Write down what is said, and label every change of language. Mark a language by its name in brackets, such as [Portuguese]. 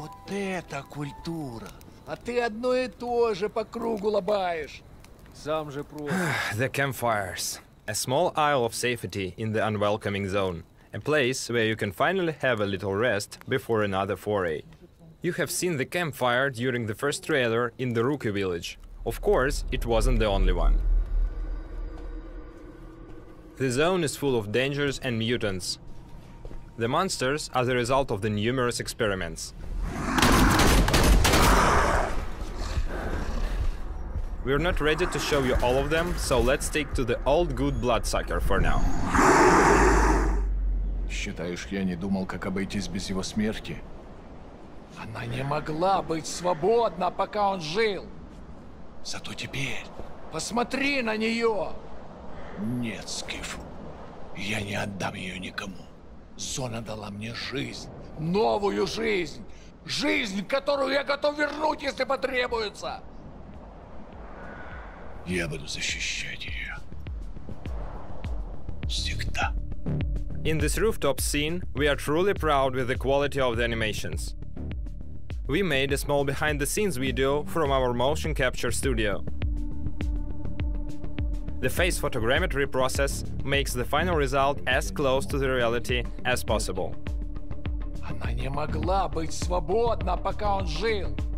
[Russian] Это культура. А ты одно и то же по кругу лобаешь. [English] The campfires. A small isle of safety in the unwelcoming zone. A place where you can finally have a little rest before another foray. You have seen the campfire during the first trailer in the Rookie Village. Of course, it wasn't the only one. The zone is full of dangers and mutants. The monsters are the result of the numerous experiments. We're not ready to show you all of them, so let's stick to the old good bloodsucker for now. [Russian] Считаешь, я не думал, как обойтись без его смерти? Она не могла быть свободна, пока он жил. Зато теперь посмотри на нее. Нет, Скиф, я не отдам ее никому. Зона дала мне жизнь, новую жизнь, жизнь, которую я готов вернуть, если потребуется. Я буду защищать ее. Всегда. [English] In this rooftop scene, we are truly proud with the quality of the animations. We made a small behind-the-scenes video from our motion capture studio. The face photogrammetry process makes the final result as close to the reality as possible. [Russian] Она не могла быть свободна, пока он жил.